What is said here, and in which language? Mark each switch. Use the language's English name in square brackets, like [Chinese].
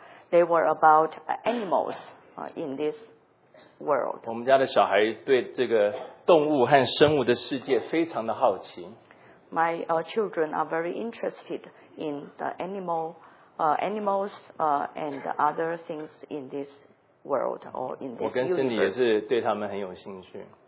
[English] They were about animals in this. World. [Chinese] 我们家的小孩对这个动物和生物的世界非常的好奇。 [English] My children are very interested in the animals and the other things in this world or in this universe. [Chinese] 我跟 Cindy 也是对他们很有兴趣。